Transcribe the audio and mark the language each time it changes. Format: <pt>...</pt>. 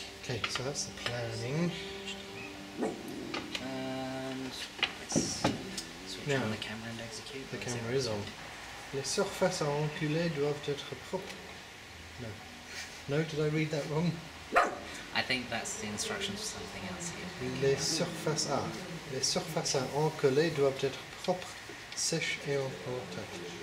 <en>Okay, so that's the planning. And let's switch on the camera and execute. The camera is on.</en> <fr>Les surfaces à enculer doivent être propres.</fr> <en>No. No, did I read that wrong? I think that's the instructions for something else here.</en> <fr>Les surfaces à enculer doivent être propres, sèches et en contact.</fr>